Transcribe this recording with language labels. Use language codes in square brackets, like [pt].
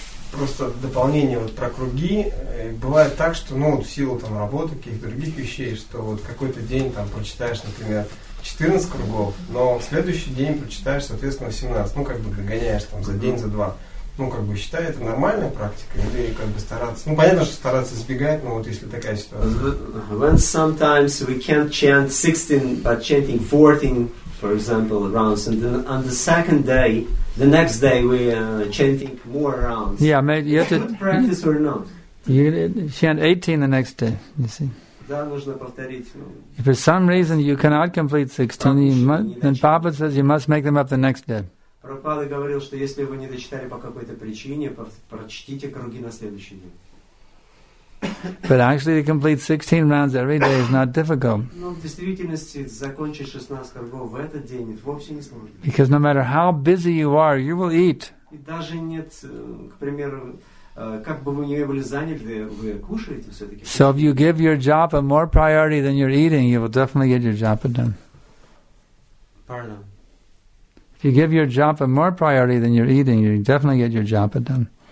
[ru] Просто в дополнение вот про круги, бывает так, что ну, в силу там, работы, каких-то других вещей, что вот какой-то день там прочитаешь, например, 14 кругов, но в следующий день прочитаешь, соответственно, 18, ну, как бы догоняешь там за день, за два. Ну, как бы считай, это нормальная практика, или как бы стараться. Ну, понятно, что стараться избегать, но вот если такая ситуация. [en] When sometimes we can't chant 16, but chanting 14, for example, rounds, and then on the second day, the next day we chanting more rounds. Yeah, maybe you have to practice or not. You chant 18 the next day, you see. If for some reason you cannot complete 16, then Papa says you must make them up the next day. [ru] Прабхупада говорил, что если вы не дочитали по какой-то причине, прочтите круги на следующий день. [en] But actually to complete 16 rounds every day is not difficult. [ru] Но в действительности закончить 16 кругов в этот день вовсе не сложно. [en] Because no matter how busy you are, you will eat. [ru] И даже нет, к примеру, как бы вы ни были заняты, вы кушаете все-таки. [en] So if you give your japa more priority than your eating, you will definitely get your japa done. Pardon. If you give your japa more priority than your eating, you definitely get your japa done.